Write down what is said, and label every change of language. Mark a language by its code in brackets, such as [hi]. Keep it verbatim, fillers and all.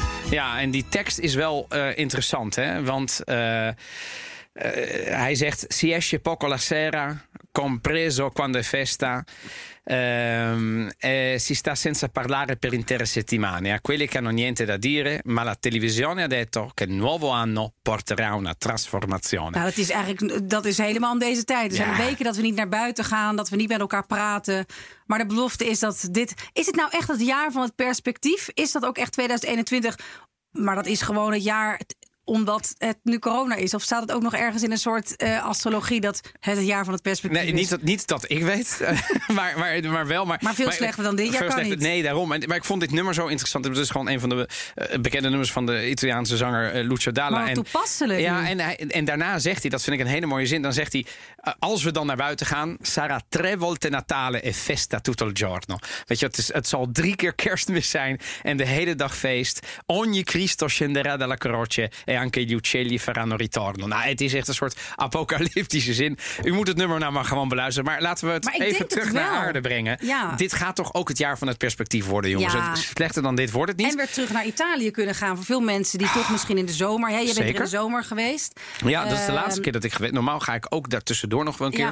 [nl] Ja, en die tekst is wel uh, interessant, hè? Want uh, uh, hij zegt: [it] si esce poco la sera. Compreso quando è festa, ehm, eh, si sta senza parlare per intere settimane. A quelli che hanno niente da dire, ma la televisione ha detto che il nuovo anno porterà una trasformazione. [nl] Nou, dat is eigenlijk dat is helemaal in deze tijd. Er zijn ja. weken dat we niet naar buiten gaan, dat we niet met elkaar praten. Maar de belofte is dat dit. Is het nou echt het jaar van het perspectief? Is dat ook echt tweeduizend eenentwintig? Maar dat is gewoon het jaar. Omdat het nu corona is? Of staat het ook nog ergens in een soort uh, astrologie... dat het, het jaar van het perspectief nee, is? Niet dat, niet dat ik weet, maar, maar, maar wel. Maar, maar veel maar, slechter dan dit jaar kan slechter, niet. Nee, daarom. En, maar ik vond dit nummer zo interessant. Het is gewoon een van de uh, bekende nummers van de Italiaanse zanger uh, Lucio Dalla. Maar toepasselijk. Ja, en, en, en daarna zegt hij, dat vind ik een hele mooie zin... dan zegt hij, uh, als we dan naar buiten gaan... [it] Sarà tre volte Natale e festa tutto il giorno. [nl] Weet je, het, is, het zal drie keer kerstmis zijn en de hele dag feest. [it] Ogni Cristo scenderà dalla croce... anche gli uccelli faranno ritorno. [nl] Nou, het is echt een soort apocalyptische zin. U moet het nummer nou maar gewoon beluisteren. Maar laten we het even terug het naar aarde brengen. Ja. Dit gaat toch ook het jaar van het perspectief worden, jongens. Ja. Slechter dan dit wordt het niet. En weer terug naar Italië kunnen gaan. Voor veel mensen die toch misschien in de zomer... Hè, je bent Zeker. in de zomer geweest. Ja, dat is de uh, laatste keer dat ik geweest. Normaal ga ik ook daartussendoor nog wel een keer. Ja.